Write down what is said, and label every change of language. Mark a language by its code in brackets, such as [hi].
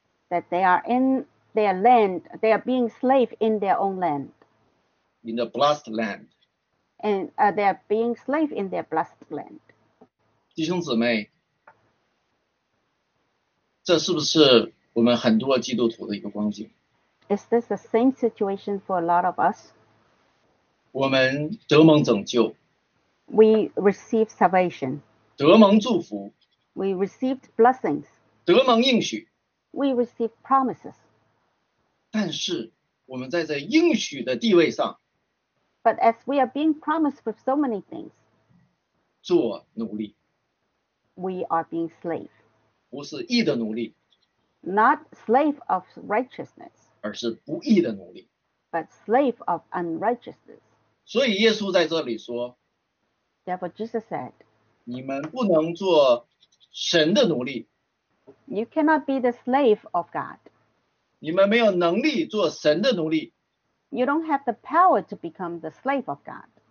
[en] that they are in their land, they are being slave in their own land. In the blessed land. And they are being slave in their blessed land. [zh] 弟兄姊妹, 这是不是 我们很多基督徒的一个光景, [en] is this the same situation for a lot of us? [zh] 我们得蒙拯救, [en] we received salvation. [zh] 得蒙祝福, [en] we received blessings. [zh] 得蒙应许, [en] we received promises. [zh] 但是我们在这应许的地位上, [en] but as we are being promised with so many things, [zh] 做奴隶, [en] we are being slave. [zh] 不是义的奴隶, [en] not slave of righteousness, [zh] 而是不义的奴隶, [en] but slave of unrighteousness. [zh] 所以耶稣在这里说, [en] therefore Jesus said, [zh] 你们不能做神的奴隶, [en] you cannot be the slave of God. [zh] 你们没有能力做神的奴隶, [en] you don't have the power to become the slave of God.